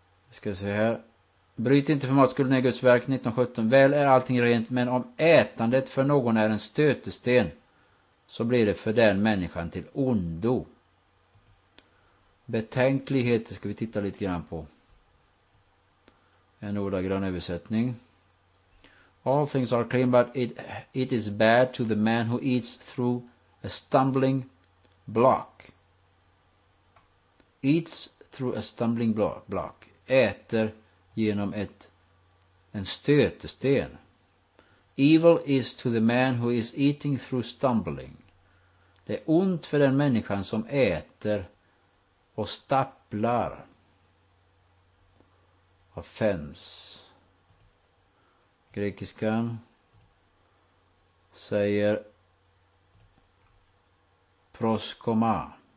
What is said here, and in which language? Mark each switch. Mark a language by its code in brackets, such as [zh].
[sv] Ska vi se här. Bryt inte för matskull ner Guds verk 1917. Väl är allting rent, men om ätandet för någon är en stötesten så blir det för den människan till ondo. Betänkligheter ska vi titta lite grann på. En ordagrann översättning. [en] All things are clean, but it is bad to the man who eats through a stumbling block. Eats through a stumbling block. [sv] Äter genom en stötesten. [en] Evil is to the man who is eating through stumbling. [sv] Det är ont för den människan som äter och stapplar. Offense. Grekiskan säger proskoma.